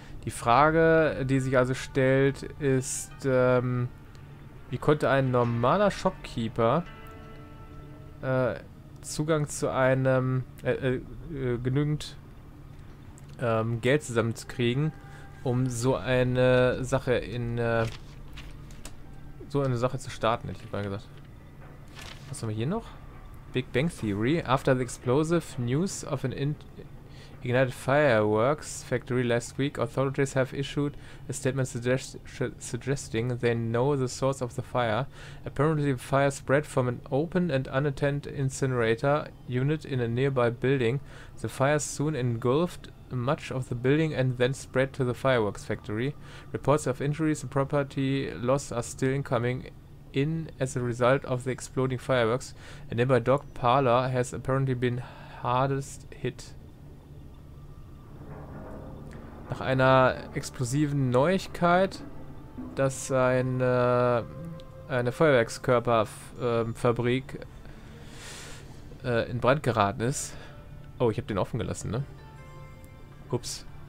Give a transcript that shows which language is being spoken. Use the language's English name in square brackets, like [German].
[German] Die Frage, die sich also stellt, ist, wie konnte ein normaler Shopkeeper Zugang zu einem genügend Geld zusammenzukriegen, um so eine Sache zu starten, hätte ich mal gesagt. Was haben wir hier noch? Big Bang Theory. [English] After the explosive news of an ignited fireworks factory last week, authorities have issued a statement suggesting they know the source of the fire. Apparently, the fire spread from an open and unattended incinerator unit in a nearby building. The fire soon engulfed much of the building and then spread to the fireworks factory. Reports of injuries and property loss are still incoming in as a result of the exploding fireworks. A nearby dog parlor has apparently been hardest hit. [German] Nach einer explosiven Neuigkeit, dass eine Feuerwerkskörperfabrik in Brand geraten ist. Oh, ich habe den offen gelassen, ne? Ups.